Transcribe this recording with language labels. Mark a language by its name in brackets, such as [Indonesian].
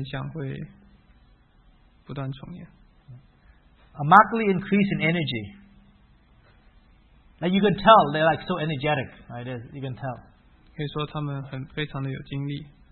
[Chinese] 所以这就是极端的两个现象会不断重演。 [English] A markedly increase in energy. Like you can tell, they're like so energetic, right? You can tell. [Chinese] 可以说他们非常的有精力。